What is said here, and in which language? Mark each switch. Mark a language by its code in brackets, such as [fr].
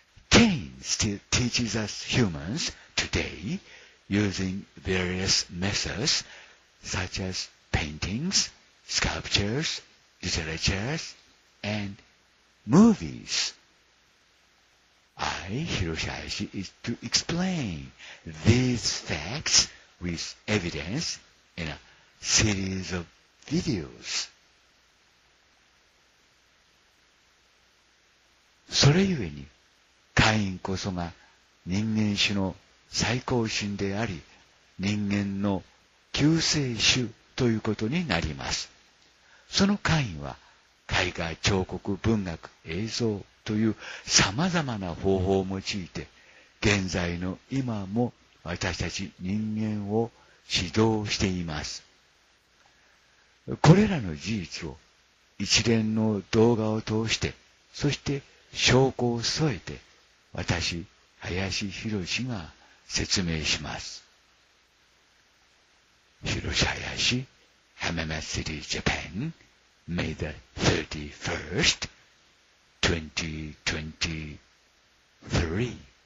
[en] Cain still teaches us humansToday, using various methods such as paintings, sculptures, literatures, and movies, I, Hiroshi Hayashi, is to explain these facts with evidence in a series of videos. [ja] それゆえに、カインこそが人間種の最高神であり、人間の救世主ということになります。そのカインは、絵画、彫刻、文学、映像という様々な方法を用いて、現在の今も私たち人間を指導しています。これらの事実を一連の動画を通して、そして証拠を添えて、私、林博士が、説明します。 [en] Hiroshi Hayashi, Hamamatsu City, Japan, May the 31st, 2023.